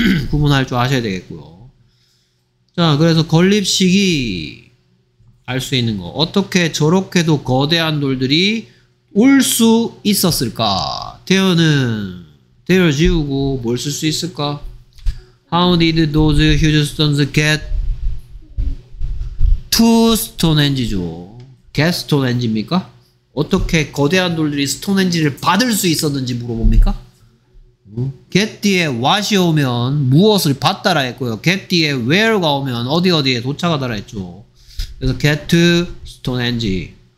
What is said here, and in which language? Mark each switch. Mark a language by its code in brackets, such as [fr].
[ko] 구분할 줄 아셔야 되겠고요. 자, 그래서 건립식이 알 수 있는 거, 어떻게 저렇게도 거대한 돌들이 올 수 있었을까? 대어는 대어 지우고 뭘 쓸 수 있을까? [en] How did those huge stones get to Stonehenge죠? Get Stonehenge입니까? [ko] 어떻게 거대한 돌들이 스톤헨지를 받을 수 있었는지 물어봅니까? Get 뒤에 what이 오면 무엇을 받다라 했고요, Get 뒤에 where가 오면 어디 어디에 도착하다라 했죠. 그래서 [en] get to Stonehenge.